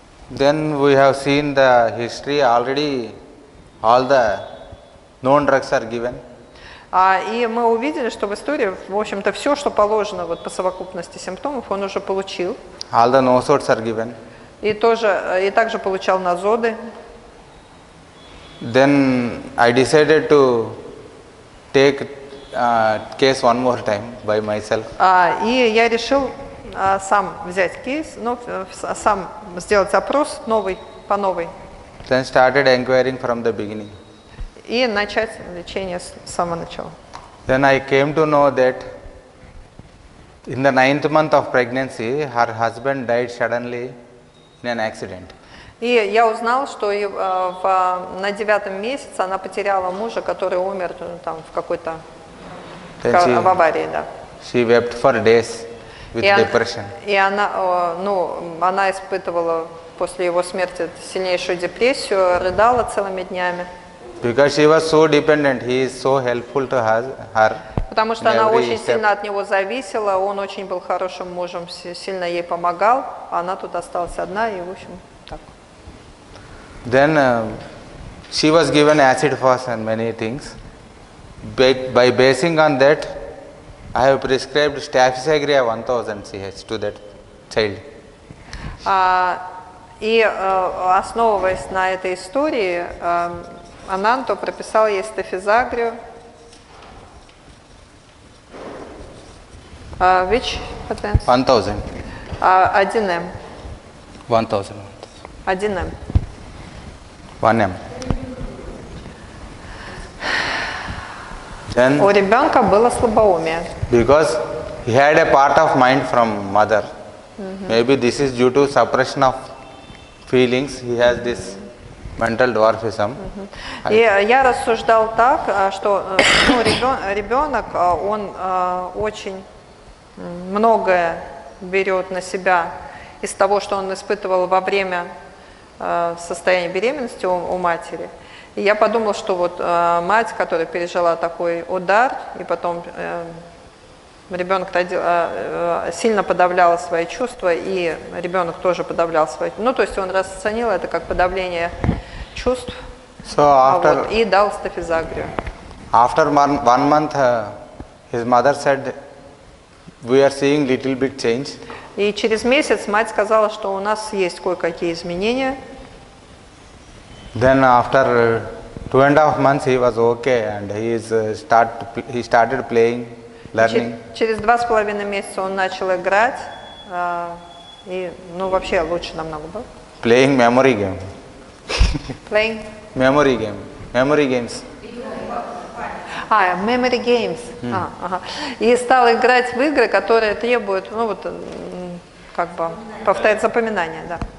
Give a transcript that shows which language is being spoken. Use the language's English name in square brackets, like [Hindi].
[English] Then we have seen the history already, all the known drugs are given. [Russian] И мы увидели, что в истории, в общем-то, все, что положено вот, по совокупности симптомов, он уже получил. [English] All the nosodes are given. [Russian] И также получал назоды. [English] Then I decided to take case one more time by myself. [Russian] И я решил сам взять кейс, сам сделать опрос новый, по новой. [English] Then started inquiring from the beginning. [Russian] И начать лечение с самого начала. [English] Then I came to know that in the 9th month of pregnancy, her husband died suddenly in an accident. [Russian] И я узнала, что на 9-м месяце она потеряла мужа, который умер там в какой-то в аварии, да. [English] She wept for days with depression. [Russian] И она испытывала после его смерти сильнейшую депрессию, рыдала целыми днями. [English] Because she was so dependent, he is so helpful to her. [Russian] Потому что она очень сильно от него зависела, он очень был хорошим мужем, сильно ей помогал, а она тут осталась одна, и в общем так. [English] Then she was given acid fast and many things. By basing on that, I have prescribed Staphysagria 1000 CH to that child. [Russian] Основываясь на этой истории, Ананто прописал ей стафизагрию. [English] Which advance? 1000. 1M. 1000. 1M. 1M. Then, [Russian] у ребенка было слабоумие. [English] Because he had a part of mind from mother. Mm-hmm. Maybe this is due to suppression of feelings. He has this mental dwarfism. Uh-huh. [Russian] И я рассуждал так, что ребенок, он очень многое берет на себя из того, что он испытывал во время состояния беременности у матери. И я подумал, что вот мать, которая пережила такой удар, и потом ребенок сильно подавлял свои чувства, и ребенок тоже подавлял свои... Ну, то есть он расценил это как подавление чувств, [English] So after, [Russian] и дал стафизагрию. [English] After one month, his mother said, we are seeing little bit change. [Russian] И через месяц мать сказала, что у нас есть кое-какие изменения. [English] Then after 2.5 months, he was okay and he started playing, learning. [Russian] Через 2.5 месяца он начал играть, и, ну, вообще лучше намного было. [English] Playing memory game. Playing? Memory game. Memory games. А, memory games. [Russian] И стал играть в игры, которые требуют, ну, вот, как бы, повторять запоминания, да.